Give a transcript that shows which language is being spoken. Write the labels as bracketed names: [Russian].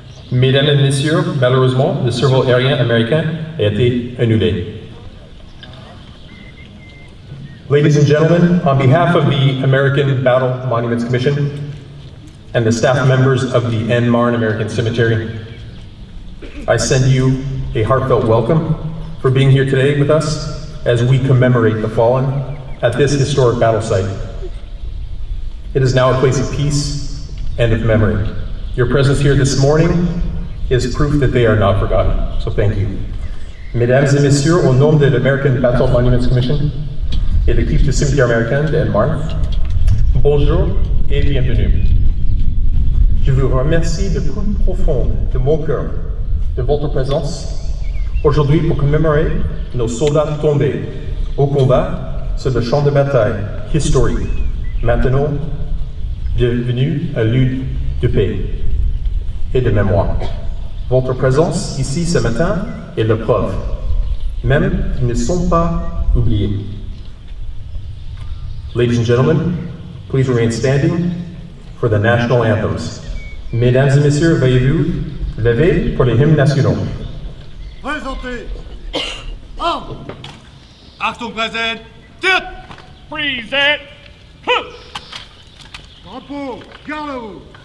[French] Mesdames et messieurs, malheureusement, le survol aérien américain a été annulé. [English] Ladies and gentlemen, on behalf of the American Battle Monuments Commission and the staff members of the Aisne-Marne American Cemetery, I send you a heartfelt welcome for being here today with us as we commemorate the fallen at this historic battle site. It is now a place of peace and of memory. Your presence here this morning is proof that they are not forgotten. So thank you. [French] Mesdames et messieurs, au nom de l'American Battle Monuments Commission et l'équipe du Cimetière Américain de Aisne-Marne, bonjour et bienvenue. Je vous remercie de plus profond de mon cœur de votre présence aujourd'hui pour commémorer nos soldats tombés au combat sur le champ de bataille historique, maintenant devenu un lieu de paix et de mémoire. Votre présence ici ce matin est la preuve, même qu'ils ne sont pas oubliés. [English] Ladies and gentlemen, please remain standing for the national anthems. [French] Mesdames et messieurs, veuillez-vous lever pour les hymnes nationaux. Présentez! Arme! Achtung, présent! Tête! Présent! Drapeau, garde à vous!